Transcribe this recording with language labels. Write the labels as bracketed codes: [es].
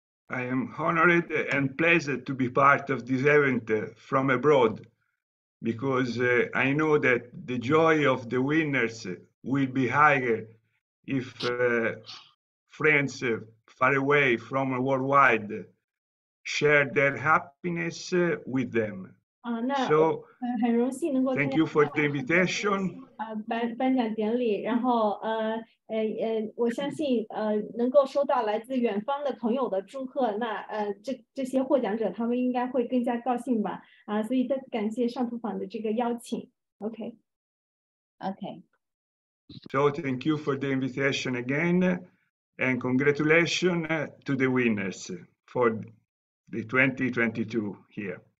[en] I am honored and pleased to be part of this event from abroad, because I know that the joy of the winners will be higher if friends far away from worldwide share their happiness with them. So, thank you for the invitation. [zh] 颁奖典礼，然后我相信能够收到来自远方的朋友的祝贺，那这些获奖者他们应该会更加高兴吧？啊，所以再感谢上图坊的这个邀请。 Okay. [en] So thank you for the invitation again, and congratulations to the winners for the 2022 here.